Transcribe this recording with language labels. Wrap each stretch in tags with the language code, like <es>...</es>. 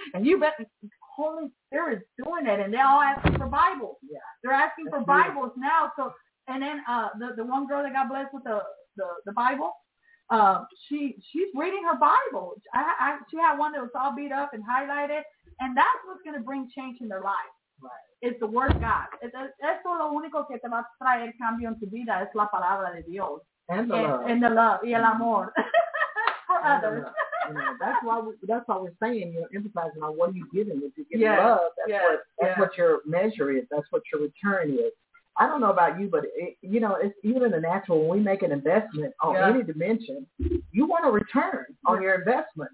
<en>And you bet the Holy Spirit is doing it. And they all ask for Bibles. Yeah, they're asking for Bibles now. So, and then the one girl that got blessed with the Bible, she's reading her Bible. She had one that was all beat up and highlighted. And that's what's going to bring change in their life. Right. It's the word of God.</en> <es>Eso lo único que te va a traer cambio en tu vida es la palabra de Dios.</es> <en>And the love.</en> <es>Y el amor. For</es> <en>and others. That's why we're saying, you know, emphasizing on what are you giving. If you give yes. love, that's what your measure is. That's what your return is. I don't know about you, but, you know, it's even in the natural, when we make an investment on any dimension, you want a return on your investment.</en>